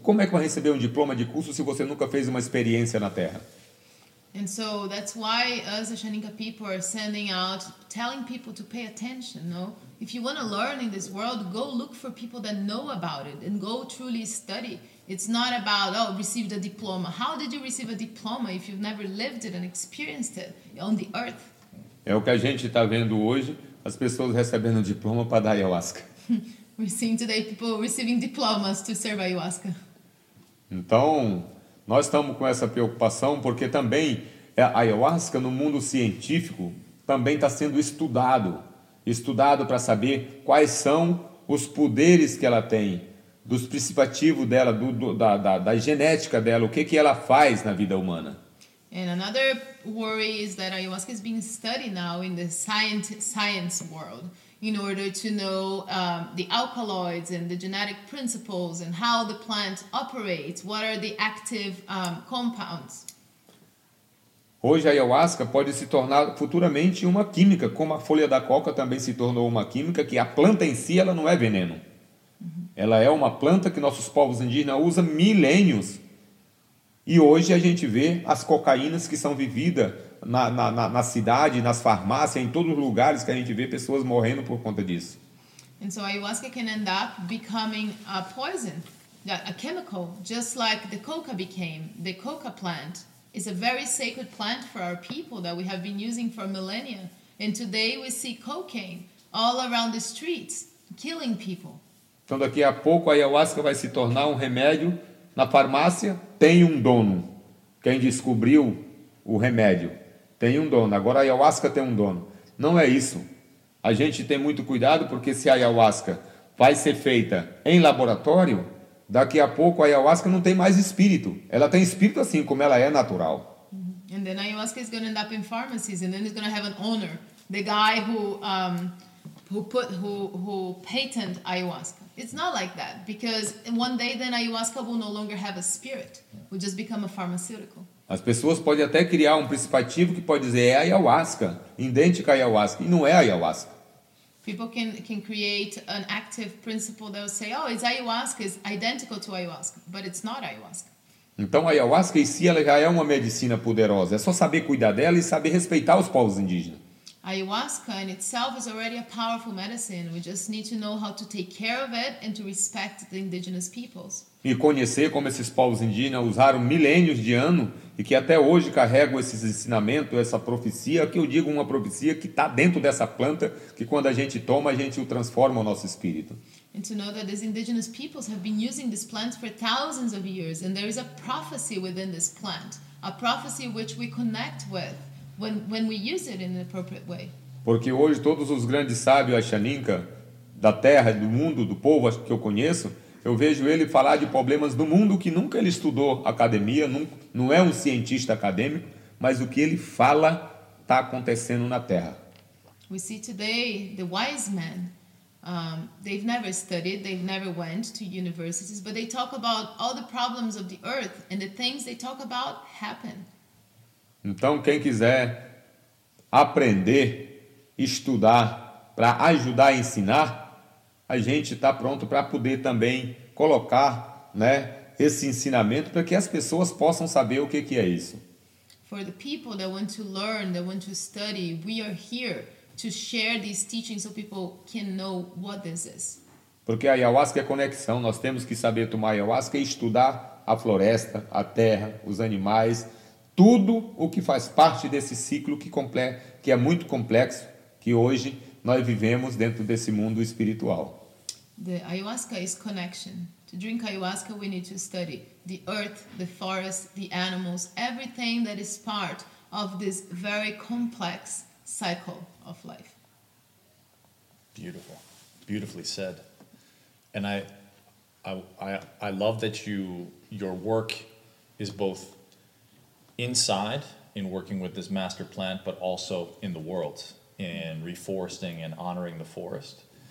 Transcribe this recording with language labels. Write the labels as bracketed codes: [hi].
[pt] Como é que vai receber um diploma de curso se você nunca fez uma experiência na Terra? [en] And so that's why us, the Shaninka people, are sending out, telling people to pay attention, no? If you want to learn in this world, go look for people that know about it and go truly study. It's not about, oh, received a diploma. How did you receive a diploma if you've never lived it and experienced it on the earth? [pt] É o que a gente está vendo hoje, as pessoas recebendo diploma para dar ayahuasca. [en] We're seeing today people receiving diplomas to serve ayahuasca. [pt] Então, nós estamos com essa preocupação porque também a ayahuasca no mundo científico também está sendo estudado para saber quais são os poderes que ela tem, dos principativos dela, da genética dela, o que que ela faz na vida humana. [en] And another worry is that ayahuasca is being studied now in the science world in order to know the alkaloids and the genetic principles and how the plant operates, what are the active compounds. [pt] Hoje a ayahuasca pode se tornar futuramente uma química, como a folha da coca também se tornou uma química, que a planta em si ela não é veneno. Ela é uma planta que nossos povos indígenas usam milênios. E hoje a gente vê as cocaínas que são vividas na cidade, nas farmácias, em todos os lugares que a gente vê pessoas morrendo por conta disso. [en] And so ayahuasca can end up becoming a poison, a chemical, just like the coca became. The coca plant is a very sacred plant for our people that we have been using for millennia. And today we see cocaine all around the streets, killing people. [pt] Então daqui a pouco a ayahuasca vai se tornar um remédio na farmácia. Tem um dono, quem descobriu o remédio, tem um dono, agora a ayahuasca tem um dono. Não é isso, a gente tem muito cuidado, porque se a ayahuasca vai ser feita em laboratório, daqui a pouco a ayahuasca não tem mais espírito, ela tem espírito assim como ela é natural. [en] And then ayahuasca is going to end up in pharmacies, and then it's going to have an owner, the guy who patent ayahuasca. It's not like that, because one day then ayahuasca will no longer have a spirit, will just become a pharmaceutical. [pt] As pessoas podem até criar um principativo que pode dizer é ayahuasca, idêntica à ayahuasca, e não é ayahuasca. [en] People can create an active principle that will say, oh, it's ayahuasca, it's identical to ayahuasca, but it's not ayahuasca. [pt] Então a ayahuasca em si ela já é uma medicina poderosa, é só saber cuidar dela e saber respeitar os povos indígenas. [en] Ayahuasca in itself is already a powerful medicine. We just need to know how to take care of it and to respect the indigenous peoples. [pt] E conhecer como esses povos indígenas usaram milênios de anos e que até hoje carregam esses ensinamentos, essa profecia, que eu digo uma profecia que está dentro dessa planta, que quando a gente toma, a gente o transforma o nosso espírito. [en] And to know that these indigenous peoples have been using this plant for thousands of years and there is a prophecy within this plant, a prophecy which we connect with. When we use it in an appropriate way. [pt] Porque hoje todos os grandes sábios Axaninka da terra, do mundo, do povo que eu conheço, eu vejo ele falar de problemas do mundo que nunca ele estudou academia, não é um cientista acadêmico, mas o que ele fala está acontecendo na terra. [en] We see today the wise men, they've never studied, they've never went to universities, but they talk about all the problems of the earth and the things they talk about happen. [pt] Então, quem quiser aprender, estudar, para ajudar a ensinar, a gente está pronto para poder também colocar, né, esse ensinamento para que as pessoas possam saber o que, que é isso. [en] For the people that want to learn, that want to study, we are here to share these teachings so people can know what this is. [pt] Porque a ayahuasca é conexão, nós temos que saber tomar ayahuasca e estudar a floresta, a terra, os animais, tudo o que faz parte desse ciclo que é muito complexo, que hoje nós vivemos dentro desse mundo espiritual. [en] The ayahuasca is connection. To drink ayahuasca, we need to study the earth, the forest, the animals, everything that is part of this very complex cycle of life. Beautiful. Beautifully said. And I love that your work is both inside, in working with this master plant, but also in the world, in reforesting and honoring the forest.